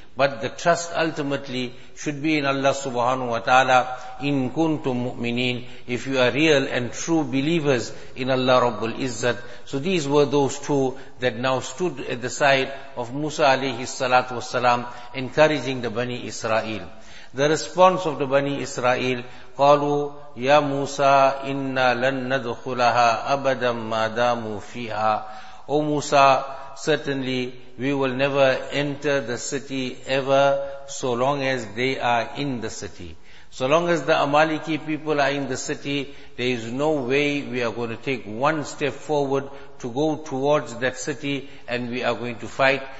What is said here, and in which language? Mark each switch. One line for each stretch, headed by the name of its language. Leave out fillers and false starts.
English: But the trust ultimately should be in Allah subhanahu wa ta'ala. In kuntum mu'mineen, if you are real and true believers in Allah Rabbul Izzat. So these were those two that now stood at the side of Musa alayhi salatu wasalam, encouraging the Bani Israel. The response of the Bani Israel,
Arabic: قَالُوا يَا مُوسَىٰ إِنَّا لَن نَدْخُلَهَا أَبَدًا مَا دَامُوا فِيهَا.
English: O Musa, certainly we will never enter the city ever so long as they are in the city. So long as the Amaliki people are in the city, there is no way we are going to take one step forward to go towards that city and we are going to fight.